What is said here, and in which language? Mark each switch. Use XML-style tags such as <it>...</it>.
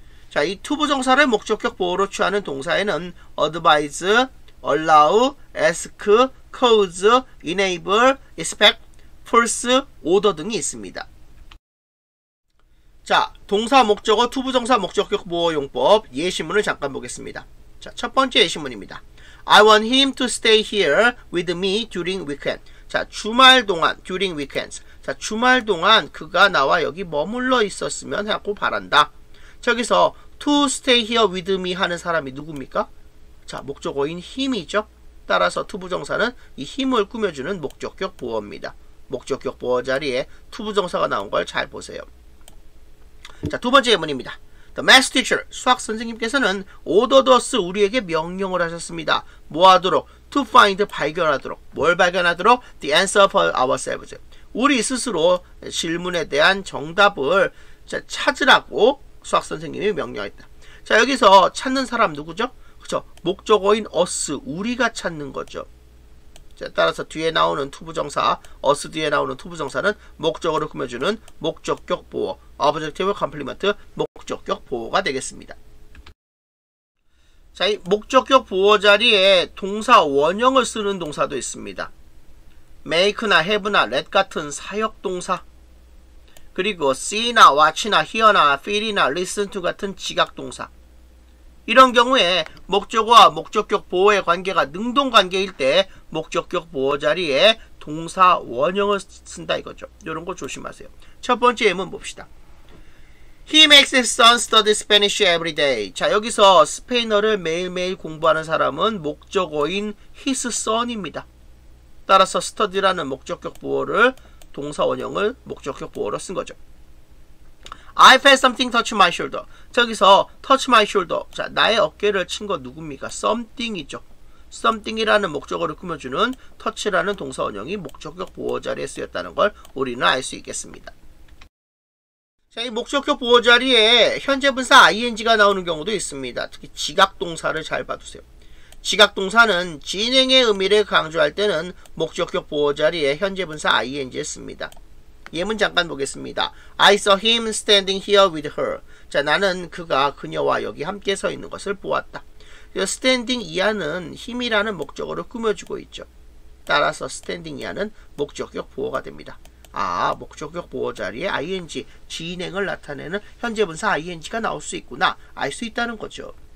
<ko>자, 이 투부정사를 목적격 보호로 취하는 동사에는 advise, allow, ask, cause, enable, expect, force, order 등이 있습니다. 자, 동사 목적어 투부정사 목적격 보호 용법 예시문을 잠깐 보겠습니다. 자, 첫 번째 예시문입니다.</ko> <en>I want him to stay here with me during weekend.</en> <ko>자, 주말 동안,</ko> <en>during weekends.</en> <ko>자, 주말 동안 그가 나와 여기 머물러 있었으면 하고 바란다. 저기서</ko> <en>to stay here with me</en> <ko>하는 사람이 누굽니까? 자, 목적어인 him이죠. 따라서 to 부정사는 이 him을 꾸며주는 목적격 보호입니다. 목적격 보호 자리에 to 부정사가 나온 걸 잘 보세요. 자, 두 번째 예문입니다.</ko> <en>The math teacher,</en> <ko>수학 선생님께서는</ko> <en>order us</en> <ko>우리에게 명령을 하셨습니다. 뭐 하도록?</ko> <en>To find,</en> <ko>발견하도록. 뭘 발견하도록?</ko> <en>The answer for ourselves.</en> <ko>우리 스스로 질문에 대한 정답을 찾으라고 수학 선생님이 명령했다. 자, 여기서 찾는 사람 누구죠? 그렇죠. 목적어인 us, 우리가 찾는 거죠. 자, 따라서 뒤에 나오는 to 부정사, us 뒤에 나오는 to 부정사는 목적어를 꾸며주는 목적격 보호, objective complement, 목적격 보호가 되겠습니다. 자, 이 목적격 보호 자리에 동사 원형을 쓰는 동사도 있습니다. make나 have나 let 같은 사역 동사, 그리고 see나 watch나 hear나 feel이나 listen to 같은 지각 동사. 이런 경우에 목적어와 목적격 보호의 관계가 능동 관계일 때 목적격 보호 자리에 동사 원형을 쓴다 이거죠. 이런 거 조심하세요. 첫 번째 예문 봅시다.</ko> <en>He makes his son study Spanish every day.</en> <ko>자, 여기서 스페인어를 매일매일 공부하는 사람은 목적어인 his son입니다. 따라서 study라는 목적격 보호를 동사 원형을 목적격 보호로 쓴 거죠.</ko> <en>I felt something touch my shoulder.</en> <ko>저기서</ko> <en>touch my shoulder.</en> <ko>자, 나의 어깨를 친 거 누굽니까? something이죠. something이라는 목적어를 꾸며주는 touch라는 동사 원형이 목적격 보호 자리에 쓰였다는 걸 우리는 알 수 있겠습니다. 자, 이 목적격 보호 자리에 현재분사 ing가 나오는 경우도 있습니다. 특히 지각동사를 잘 봐두세요. 지각동사는 진행의 의미를 강조할 때는 목적격 보호 자리에 현재분사 ing을 씁니다. 예문 잠깐 보겠습니다.</ko> <en>I saw him standing here with her.</en> <ko>자, 나는 그가 그녀와 여기 함께 서 있는 것을 보았다. standing 이하는 him이라는 목적어를 꾸며주고 있죠. 따라서 standing 이하는 목적격 보호가 됩니다. 아, 목적격 보호 자리에 ing, 진행을 나타내는 현재분사 ing가 나올 수 있구나, 알 수 있다는 거죠.</ko>